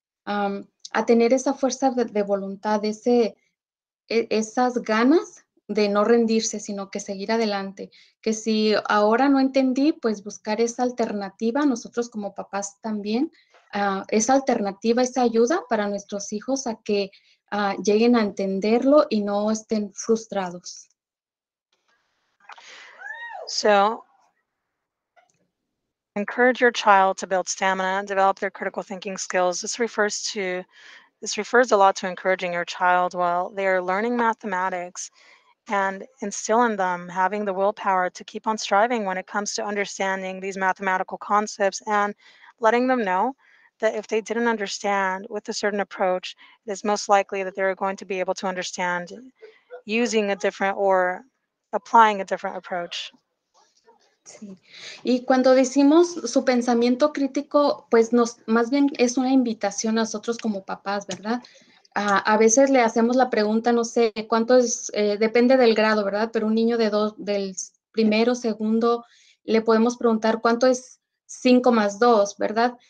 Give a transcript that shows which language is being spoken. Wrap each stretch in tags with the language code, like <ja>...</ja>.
<es>A tener esa fuerza de voluntad, esas ganas de no rendirse, sino que seguir adelante. Que si ahora no entendí, pues buscar esa alternativa, nosotros como papás también, esa alternativa, esa ayuda para nuestros hijos a que lleguen a entenderlo y no estén frustrados.</es> <en>So, encourage your child to build stamina, develop their critical thinking skills. This refers a lot to encouraging your child while they are learning mathematics and instill in them having the willpower to keep on striving when it comes to understanding these mathematical concepts and letting them know that if they didn't understand with a certain approach, it is most likely that they're going to be able to understand using a different or applying a different approach.</en> <es>Sí. Y cuando decimos su pensamiento crítico, pues nos más bien es una invitación a nosotros como papás, ¿verdad? A veces le hacemos la pregunta, no sé, cuánto es, depende del grado, ¿verdad? Pero un niño del primero, segundo, le podemos preguntar cuánto es 5 + 2, ¿verdad?</es>